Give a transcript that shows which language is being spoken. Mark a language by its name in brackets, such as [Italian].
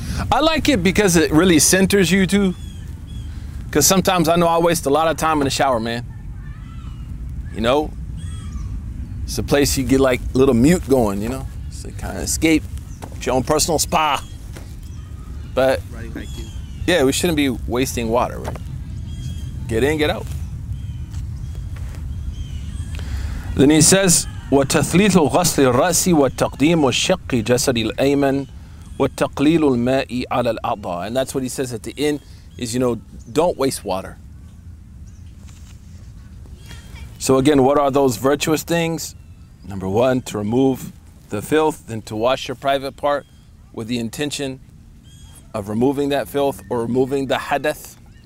[English] I like it because it really centers you too. Because sometimes I know I waste a lot of time in the shower, man. You know? It's a place you get like a little mute going, you know? It's a kind of escape. It's your own personal spa. But, yeah, we shouldn't be wasting water, right? Get in, get out. Then he says, [Arabic] وَتَثْلِيثُ غَسْلِ الرَّأْسِ وَتَقْدِيمُ الشَّقِّ جَسَدِ الْأَيْمَنِ وَتَقْلِيلُ الْمَاءِ عَلَى الْأَعْضَى. [English] And that's what he says at the end, is, you know, don't waste water. So again, what are those virtuous things? Number one, to remove the filth, then to wash your private part with the intention of removing that filth or removing the hadath.